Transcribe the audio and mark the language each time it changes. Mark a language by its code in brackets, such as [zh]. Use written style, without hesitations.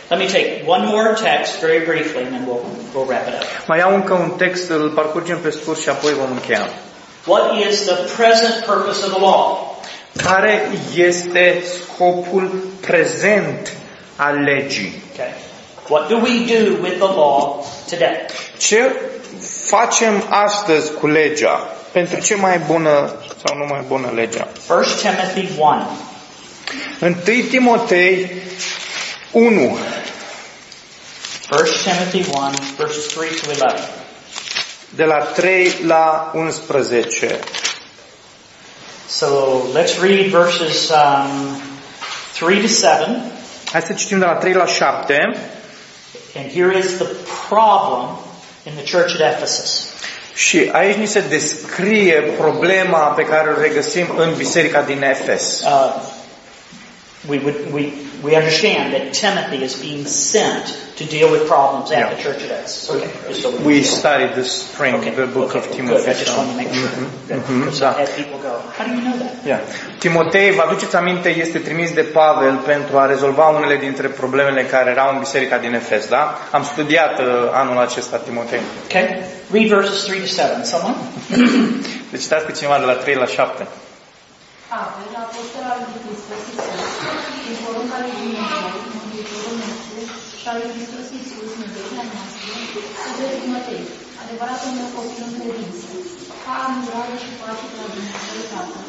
[en] Let me take one more text very briefly and then we'll wrap it up. [ro] Mai iau încă un text, îl parcurgem pe scurt și apoi vom încheia. [en] What is the present purpose of the law? [ro] Care este scopul prezent al legii? [en] Okay. What do we do with the law today? [ro] Ce facem astăzi cu legea? Pentru ce mai bună sau nu mai bună legea? [en] 1 Timothy 1. [ro] 1 Timotei 1. [en] 1 Timothy 1, verses 3 to 11. [ro] De la 3 la 11. [en] So, let's read verses 3 to 7. [ro] Hai să citim de la 3 la 7. [en] And here is the problem in the church at Ephesus. [ro] Și aici ni se descrie problema pe care o regăsim în biserica din Efes. [en] We understand that Timothy is being sent to deal with problems at the church at Ephesus. Okay. We studied this spring the book of Timothy. Good. I just want to make sure. Had people go, how do you know that? Yeah. [ro] Timotei, vă aduceți aminte, este trimis de Pavel pentru a rezolva unele dintre problemele care erau în biserica din Efes, da? Am studiat anul acesta Timotei. [en] Okay. Read verses 3 to 7. Someone? [ro] Deci, citați pe cineva de la 3 la 7. Pavel, apostol al lui Hristos Iisus, în porunca lui Dumnezeu, în viitorul nostru, și al lui Hristos Iisus, în vechea noastră, sunt de Timotei, adevăratul meu copil în credință, ca am dragă și pace de la Dumnezeu Tatăl.